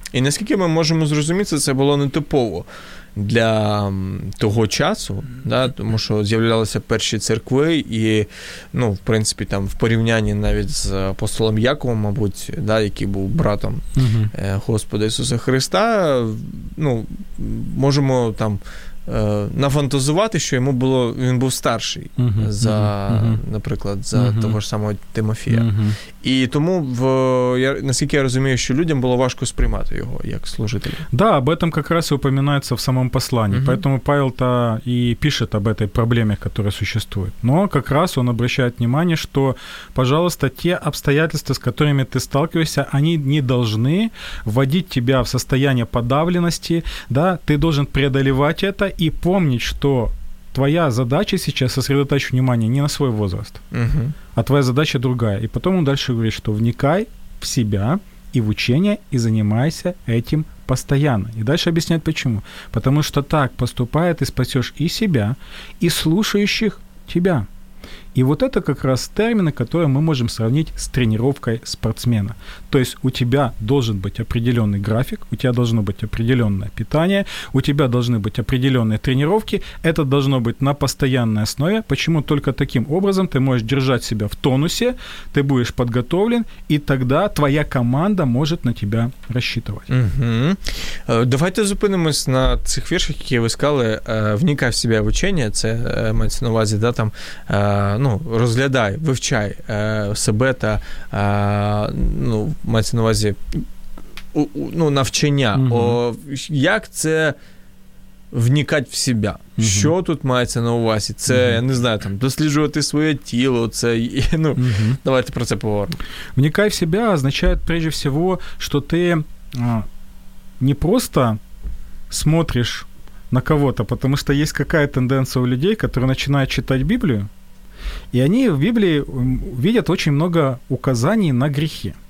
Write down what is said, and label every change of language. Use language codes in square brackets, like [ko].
[uk] І наскільки ми можемо зрозуміти, це було не типово для того часу, да, тому що з'являлися перші церкви і, ну, в принципі, там, в порівнянні навіть з апостолом Яковом, мабуть, да, який був братом Господа Ісуса Христа, ну, можемо там нафантазувати, що йому було, він був старший за, наприклад, за того ж самого Тимофія. І тому, наскільки я розумію, що людям було важко сприймати його як служителя. Так, да, [ru] об этом [uk] якраз і упоминається в самому посланні. [ru] Поэтому Павел [uk] та і пише [ru] об этой проблемі, которая существует. Но якраз он обращает внимание, що, пожалуйста, те обстоятельства, з которыми ти сталкиваешься, вони не должны вводить тебя в состояние подавленности, да, ти должен преодолевать это и помнить, что твоя задача сейчас сосредоточить внимание не на свой возраст, а твоя задача другая. И потом он дальше говорит, что вникай в себя и в учение, и занимайся этим постоянно. И дальше объясняет почему. Потому что так поступая, ты спасешь и себя, и слушающих тебя. И вот это как раз термины, которые мы можем сравнить с тренировкой спортсмена. То есть у тебя должен быть определенный график, у тебя должно быть определенное питание, у тебя должны быть определенные тренировки, это должно быть на постоянной основе. Почему? Только таким образом ты можешь держать себя в тонусе, ты будешь подготовлен, и тогда твоя команда может на тебя рассчитывать. [uk] Давайте зупинимось на цих віршах, які ви сказали, вникай [ru] в себя в учение, [uk] це мається на увазі, да, там, ну, розглядай, вивчай себе та, ну, мається на увазі, ну, навчання. Угу. Як це вникати в себе? Угу. Що тут мається на увазі? Це, я не знаю, там, досліджувати своє тіло, це, ну, давайте про це поговоримо. Вникай в себе означає, [ru] прежде всего, що ти не просто смотриш на кого-то, потому что есть какая тенденция у людей, которые начинают читать Библию, и они в Библии видят очень много указаний на грехи.